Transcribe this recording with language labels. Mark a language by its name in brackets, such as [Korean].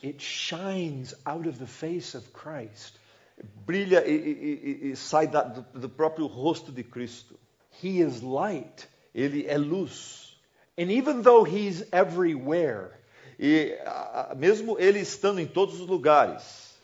[English] It shines out of the face of Christ. [Portuguese] Brilha e sai do próprio rosto de Cristo. [English] He is light. [Portuguese] Ele é luz. [English] And even though he's everywhere, [Portuguese] mesmo ele estando em todos os lugares,